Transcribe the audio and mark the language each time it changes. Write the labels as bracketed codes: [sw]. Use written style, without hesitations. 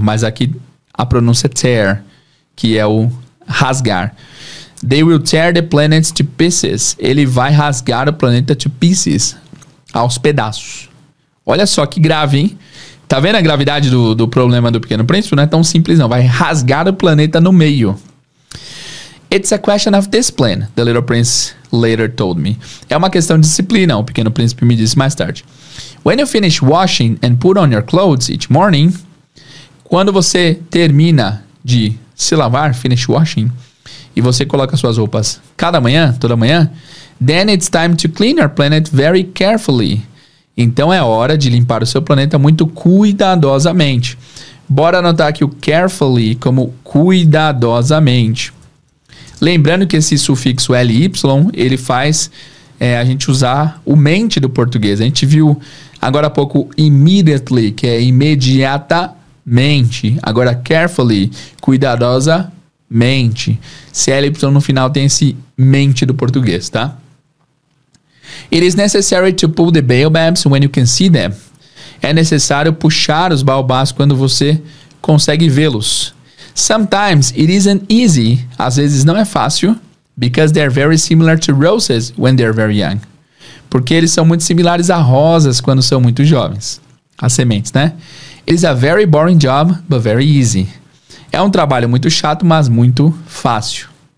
[pt] Mas aqui a pronúncia é tear, que é o rasgar. [en] They will tear the planet to pieces. [pt] Ele vai rasgar o planeta [en] to pieces, [pt] aos pedaços. Olha só que grave, hein? Tá vendo a gravidade do problema do Pequeno Príncipe? Não é tão simples, não. Vai rasgar o planeta no meio. [en] It's a question of discipline, the little prince later told me. [pt] É uma questão de disciplina, o Pequeno Príncipe me disse mais tarde. [en] When you finish washing and put on your clothes each morning, [pt] quando você termina de se lavar, [en] finish washing, [pt] e você coloca suas roupas cada manhã, toda manhã, [en] then it's time to clean your planet very carefully. [pt] Então é hora de limpar o seu planeta muito cuidadosamente. Bora anotar aqui o carefully como cuidadosamente. Lembrando que esse sufixo LY, ele faz a gente usar o mente do português. A gente viu agora há pouco immediately, que é imediatamente. Agora carefully, cuidadosamente. CLY no final tem esse mente do português, tá? [en] It is necessary to pull the baobabs when you can see them. [pt] É necessário puxar os baobás quando você consegue vê-los. [en] Sometimes it isn't easy, [pt] às vezes não é fácil, [en] because they're very similar to roses when they're very young. [pt] Porque eles são muito similares a rosas quando são muito jovens, as sementes, né? [en] It is a very boring job, but very easy. [pt] É um trabalho muito chato, mas muito fácil.